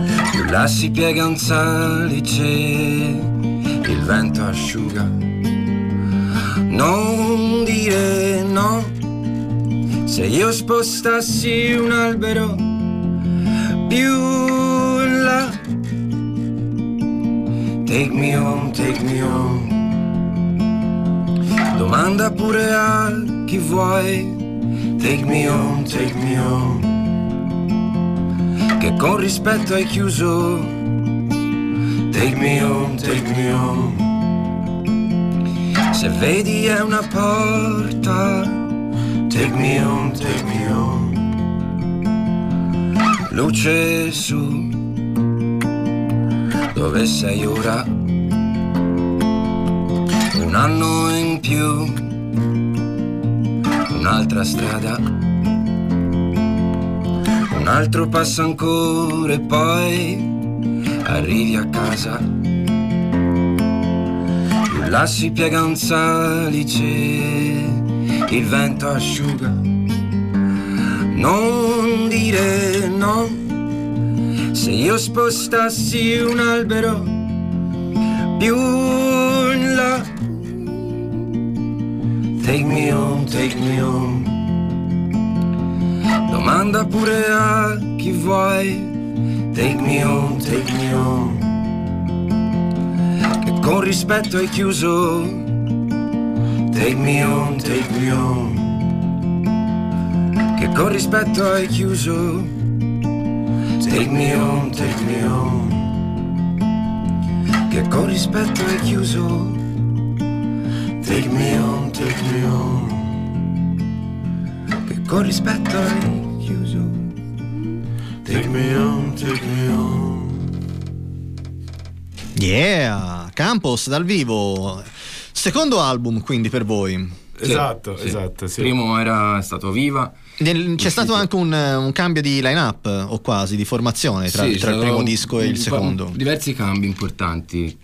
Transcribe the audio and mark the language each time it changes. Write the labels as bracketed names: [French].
[Italian] Più là si piega un salice, il vento asciuga. Non dire no, se io spostassi un albero più in là. [English] Take me home, take me home. [Italian] Domanda pure a chi vuoi. [English] Take me home, take me home. [Italian] Che con rispetto hai chiuso. [English] Take me home, take me home. [Italian] Se vedi è una porta. [English] Take me home, take me home. [Italian] Luce su, dove sei ora? Un anno in più, un'altra strada, un altro passo ancora e poi arrivi a casa. Più là si piega un salice, il vento asciuga. Non dire no, se io spostassi un albero più in là. [English] Take me home, take me home. [Italian] Domanda pure a chi vuoi. [English] Take me home, take me home. [Italian] E con rispetto hai chiuso. [English] Take me home, take me home. [Italian] Che con rispetto hai chiuso. [English] Take me home, take me home. [Italian] Che con rispetto hai chiuso. [English] Take me home, take me home. [Italian] Che con rispetto hai chiuso. [English] Take me home, take me home. [Italian] Yeah, Campos dal vivo. Secondo album quindi per voi. Esatto, sì. Esatto. Sì. Primo era stato Viva. C'è stato anche un cambio di line-up, o quasi, di formazione tra il primo disco e il secondo. Diversi cambi importanti.